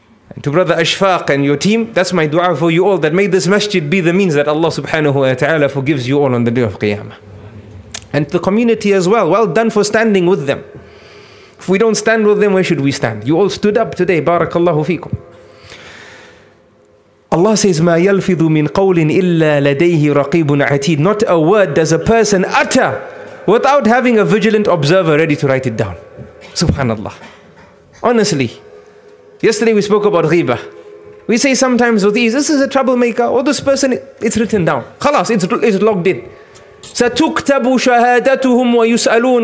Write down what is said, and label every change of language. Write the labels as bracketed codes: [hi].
[en] And to Brother Ashfaq and your team, that's my dua for you all, that may this masjid be the means that Allah subhanahu wa ta'ala forgives you all on the day of Qiyamah. And to the community as well, well done for standing with them. If we don't stand with them, where should we stand? You all stood up today. Barakallahu feekum. [ar] Allah says, مَا يَلْفِذُ مِنْ قَوْلٍ إِلَّا لَدَيْهِ رَقِيبٌ عَتِيدٌ. [en] Not a word does a person utter without having a vigilant observer ready to write it down. Subhanallah. Honestly, yesterday we spoke about ghiba. We say sometimes with ease, this is a troublemaker, or this person, it's written down. Khalas, it's logged in. [ar] سَتُكْتَبُ شَهَادَتُهُمْ وَيُسْأَلُونَ.